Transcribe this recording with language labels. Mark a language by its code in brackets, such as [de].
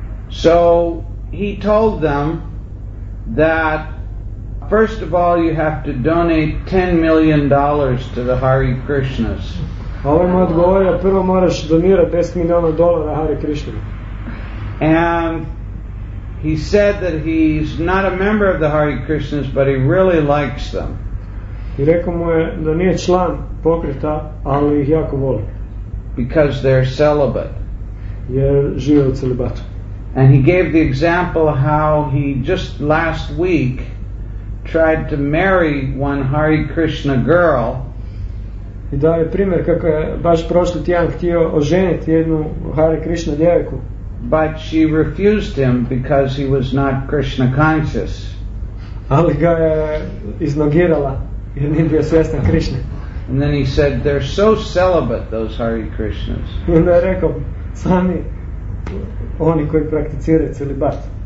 [en] So he told them that first of all you have to donate $10 million to the Hare Krishnas. [hr] A ovaj mu odgovorio, prvo moraš donirati $10 million Hare Krishna. [en] And he said that he's not a member of the Hare Krishnas, but he really likes them. [hr] I rekao mu je da nije član pokreta, ali ih jako voli. [en] Because they're celibate. [hr] Jer žive u celibatu. [en] And he gave the example how he just last week tried to marry one Hare Krishna girl. [hr] I dao je primjer kako je baš prošli tjedan htio oženiti jednu Hare Krishna djevojku. [en] But she refused him because he was not Krishna conscious. [hr] Ali ga je iznogirala jer nije bio svjestan Krishna. [en] And then he said, they're so celibate, those Hare Krishnas. [hr] I onda je rekao, sami oni koji prakticiraju celibat.